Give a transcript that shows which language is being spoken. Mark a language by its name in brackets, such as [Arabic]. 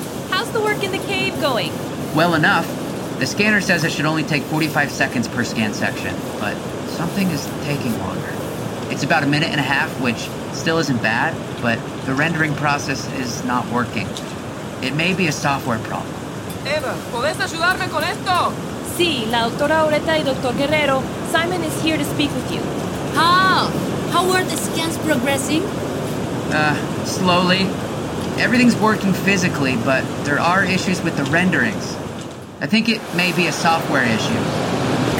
[English] How's the work in the cave going? Well enough. The scanner says it should only take 45 seconds per scan section, but something is taking longer. It's about a minute and a half, which still isn't bad, but the rendering process is not working. It may be a software problem. [Spanish] Eva, ¿puedes ayudarme con esto? Sí, la doctora Oreta y Dr. Guerrero. [English] Simon is here to speak with you. How? How are the scans progressing? Slowly. Everything's working physically, but there are issues with the renderings. I think it may be a software issue.